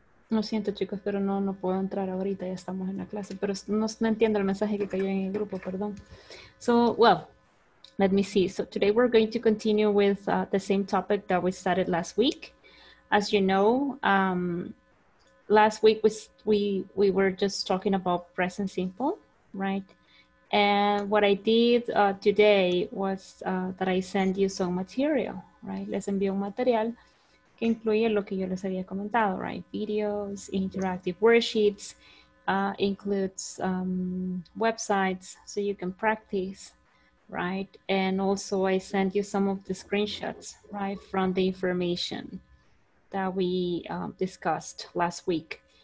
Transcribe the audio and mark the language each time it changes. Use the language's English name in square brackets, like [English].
[Spanish] Lo siento, chicos, pero no puedo entrar ahorita, ya estamos en la clase, pero no entiendo el mensaje que cayó en el grupo, perdón. [English] So, well, let me see. So today we're going to continue with the same topic that we started last week. As you know, last week we were just talking about present simple, right? And what I did today was that I sent you some material, right? [Spanish] Les envié un material que incluye lo que yo les había comentado, right? [English] Videos, interactive worksheets, includes websites so you can practice, right? And also I sent you some of the screenshots, right, from the information that we discussed last week.